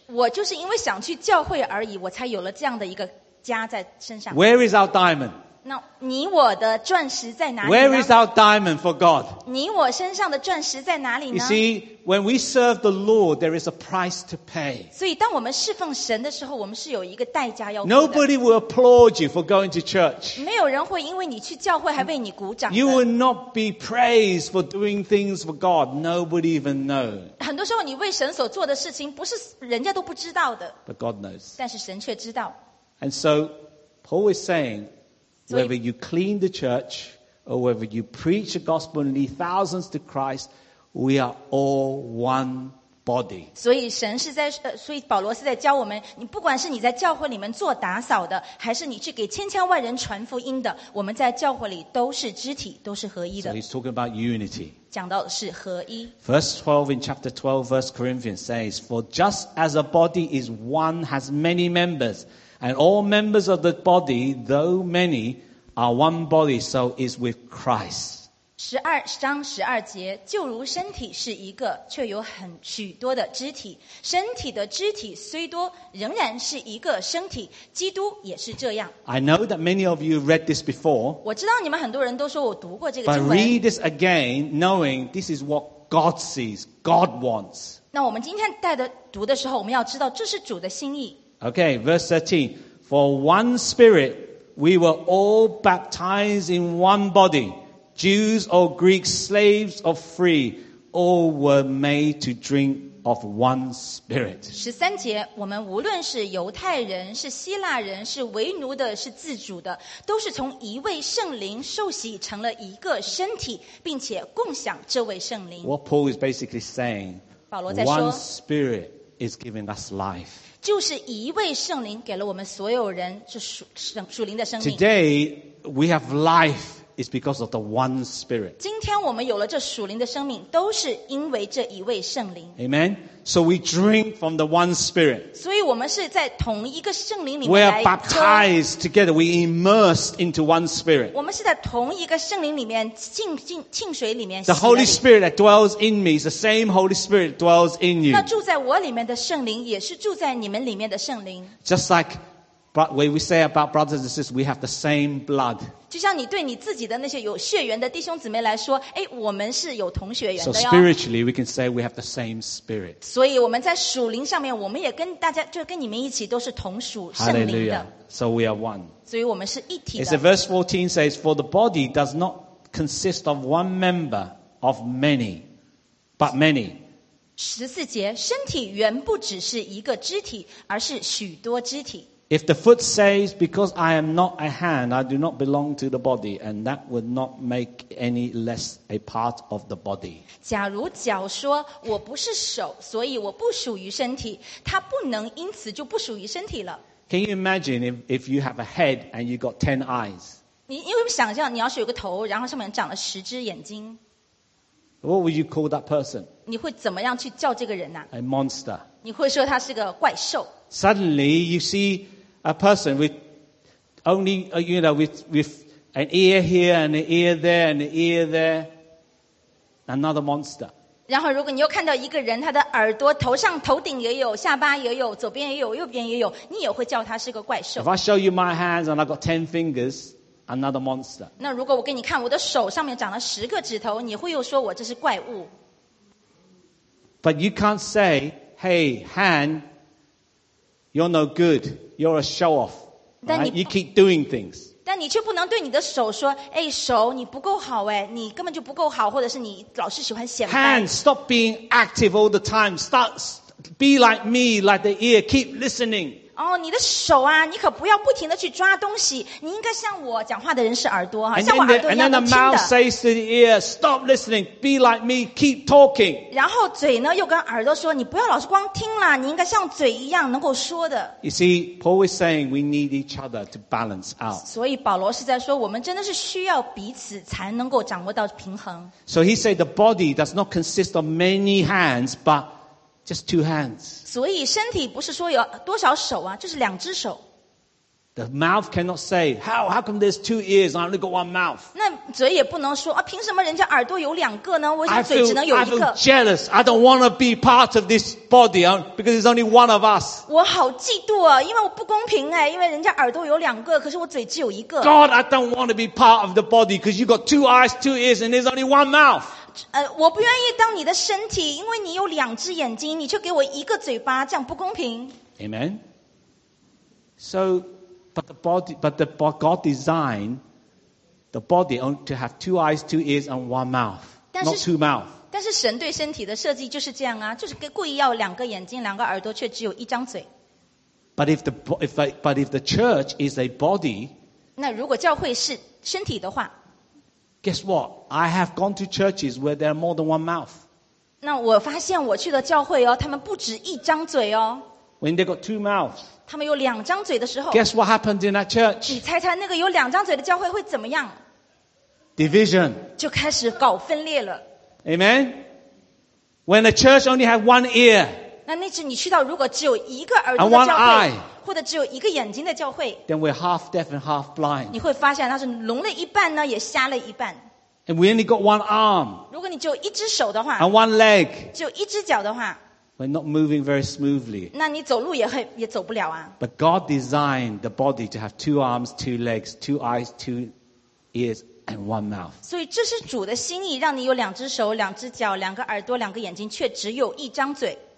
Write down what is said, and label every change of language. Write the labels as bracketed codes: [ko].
[zh] 我就是因为想去教会而已，我才有了这样的一个痂在身上。 [en] Where is our diamond? [zh] 那你我的钻石在哪里呢？ [en] Where is our diamond for God? [zh] 你我身上的钻石在哪里呢？ [en] You see, when we serve the Lord, there is a price to pay. [zh] 所以当我们侍奉神的时候，我们是有一个代价要付的。 [en] Nobody will applaud you for going to church. [zh] 没有人会因为你去教会还为你鼓掌的。 [en] You will not be praised for doing things for God. Nobody even knows. [zh] 很多时候你为神所做的事情不是人家都不知道的。 [en] But God knows. [zh] 但是神却知道。 [en] And so, Paul is saying,Whether you clean the church or whether you preach the gospel and lead thousands to Christ, we are all one body. [zh] 所以神是在，所以保罗是在教我们，你不管是你在教会里面做打扫的，还是你去给千千万人传福音的，我们在教会里都是肢体，都是合一的。 [en] So he's talking about unity. [zh] 讲到的是合一。 [en] Verse 12 in chapter 12, verse Corinthians says, "For just as a body is one, has many members." And all members of the body, though many, are one body, so is with Christ. [zh] 十二章十二节，就如身体是一个，却有很许多的肢体。身体的肢体虽多，仍然是一个身体。基督也是这样。 [en] I know that many of you read this before. [zh] 我知道你们很多人都说我读过这个经文。 [en] But read this again, knowing this is what God sees, God wants. [zh] 那我们今天带的读的时候，我们要知道这是主的心意。 [en] Okay, verse 13. For one spirit, we were all baptized in one body. Jews or Greeks, slaves or free, all were made to drink of one spirit. [zh] 十三节，我们无论是犹太人，是希腊人，是为奴的，是自主的，都是从一位圣灵受洗，成了一个身体，并且共享这位圣灵。 [en] What Paul is basically saying, [zh] 保罗在说 [en] one spirit is giving us life. [zh] 就是一位圣灵给了我们所有人这属灵的生命。 [en] Today we have life. It's because of the one spirit. [zh] 今天我们有了这属灵的生命，都是因为这一位圣灵。 [en] Amen. So we drink from the one spirit. [zh] 所以我们是在同一个圣灵里面来喝。 [en] We are baptized together. We immersed into one spirit. [zh] 我们是在同一个圣灵里面浸水里面。 [en] The Holy Spirit that dwells in me is the same Holy Spirit that dwells in you. [zh] 那住在我里面的圣灵，也是住在你们里面的圣灵。 [en] Just like. But when we say about brothers and sisters, we have the same blood. [zh] 就像你对你自己的那些有血缘的弟兄姊妹来说，哎，我们是有同血缘的哟。 [en] So spiritually, we can say we have the same spirit. [zh] 所以我们在属灵上面，我们也跟大家，就跟你们一起，都是同属圣灵的。 [en] Hallelujah. So we are one. [zh] 所以我们是一体的。 [en] It's a verse 14 says, "For the body does not consist of one member of many, but many." [zh] 十四节，身体原不只是一个肢体，而是许多肢体。 [en] If the foot says, because I am not a hand, I do not belong to the body, and that would not make any less a part of the body. [zh] 假如脚说，我不是手，所以我不属于身体，它不能因此就不属于身体了。 [en] Can you imagine if you have a head and you got 10 eyes? [zh] 你有没有想象，你要是有个头，然后上面长了十只眼睛？ [en] What would you call that person? [zh] 你会怎么样去叫这个人啊？ [en] A monster. [zh] 你会说他是个怪兽。 [en] Suddenly, you see a person with only, you know, with an ear here and an ear there and an ear there, another monster. [zh] 然后，如果你又看到一个人，他的耳朵、头上、头顶也有，下巴也有，左边也有，右边也有，你也会叫他是个怪兽。 [en] If I show you my hands and I've got 10 fingers, another monster. [zh] 那如果我给你看我的手上面长了十个指头，你会又说我这是怪物。 [en] But you can't say, "Hey, hand." You're no good. You're a show-off.、Right? You keep doing things. [zh] 但你却不能对你的手说，哎，手，你不够好，哎，你根本就不够好，或者是你老是喜欢显摆。 [en] Hand, stop being active all the time. Start, be like me, like the ear. Keep listening. [zh] 哦，你的手啊，你可不要不停的去抓东西。你应该像我讲话的人是耳朵，像我耳朵一样听的。 [en] And then the mouth says to the ear, stop listening. Be like me. Keep talking. [zh] 然后嘴呢又跟耳朵说，你不要老是光听啦，你应该像嘴一样能够说的。 [en] You see, Paul is saying we need each other to balance out. [zh] 所以保罗是在说，我们真的是需要彼此才能够掌握到平衡。 [en] So he said the body does not consist of many hands, but Just two hands. [zh] 所以身体不是说有多少手啊，就是两只手。 [en] The mouth cannot say, how come there's two ears and I only got one mouth? [zh] 那嘴也不能说啊，凭什么人家耳朵有两个呢？我嘴只能有一个。 [en] I feel jealous. I don't want to be part of this body because it's only one of us. [zh] 我好嫉妒啊，因为我不公平哎，因为人家耳朵有两个，可是我嘴只有一个。 [en] God, I don't want to be part of the body because you got two eyes, two ears, and there's only one mouth. [zh] 我不愿意当你的身体，因为你有两只眼睛，你却给我一个嘴巴，这样不公平。 [en] Amen. So, but God designed the body only to have two eyes, two ears, and one mouth, not two mouths. [zh] 但是神对身体的设计就是这样啊，就是故意要两个眼睛、两个耳朵，却只有一张嘴。 [en] But if the church is a body, [zh] 那如果教会是身体的话。 [en] Guess what? I have gone to churches where there are more than one mouth. [zh] 那我发现我去的教会哦，他们不止一张嘴哦。 [en] When they got two mouths. [zh] 他们有两张嘴的时候。 [en] Guess what happened in that church? [zh] 你猜猜那个有两张嘴的教会会怎么样？ [en] Division. [zh] 就开始搞分裂了。 [en] Amen. When a church only had one ear. [zh] 那次你去到如果只有一个耳朵的教会。 [en] And one eye. [zh] 或者只有一个眼睛的教会 [en] ，Then we're half deaf and half blind. [zh] 你会发现他是聋了一半呢，也瞎了一半。 [en] And we only got one arm. [zh] 如果你只有一只手的话 [en] ，And one leg. [zh] 只有一只脚的话 [en] ，We're not moving very smoothly. [zh] 那你走路也走不了啊。 [en] But God designed the body to have two arms, two legs, two eyes, two ears, and one mouth. [zh] 所以这是主的心意，让你有两只手、两只脚、两个耳朵、两个眼睛，却只有一张嘴。